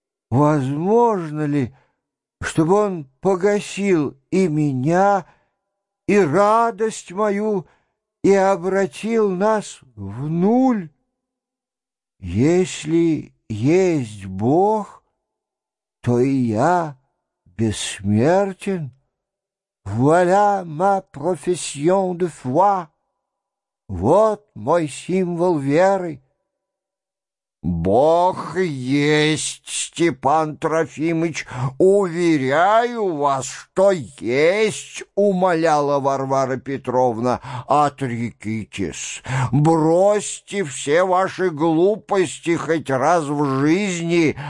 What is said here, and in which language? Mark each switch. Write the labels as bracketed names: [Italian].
[Russian] Возможно ли, чтобы он погасил и меня, и радость мою, и обратил нас в нуль? Если есть Бог, то и я бессмертен. [French] Voilà ma profession de foi. [Russian] Вот мой символ веры. Бог есть, Степан Трофимыч, уверяю вас, что есть, умоляла Варвара Петровна. Отрекитесь, бросьте все ваши глупости хоть раз в жизни.